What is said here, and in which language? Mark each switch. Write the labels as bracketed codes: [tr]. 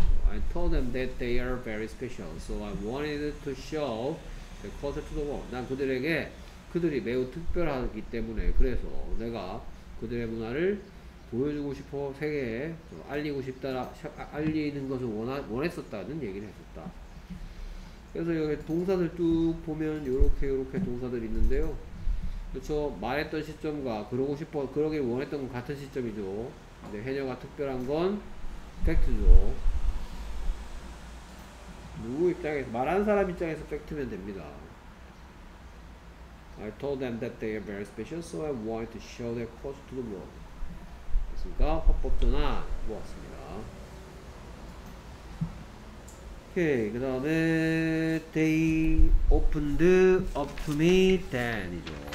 [en] I told them that they are very special. So I wanted to show the culture to the world. [ko] 난 그들에게 그들이 매우 특별하기 때문에 그래서 내가 그들의 문화를 보여주고 싶어 세계에 알리고 싶다 알리는 것을 원했었다는 얘기를 했었다. 그래서 여기 동사들 쭉 보면 이렇게 이렇게 동사들이 있는데요. 그렇죠. 말했던 시점과 그러고 싶어 그러길 원했던 건 같은 시점이죠. 근데 해녀가 특별한 건 팩트죠. 누구 입장에서 말한 사람 입장에서 팩트면 됩니다. [en] I told them that they are very special, so I wanted to show their course to the world. [ko] 그러니까 화법 전환 보았습니다. 오케이, 그 다음에 [en] they opened up to me then이죠.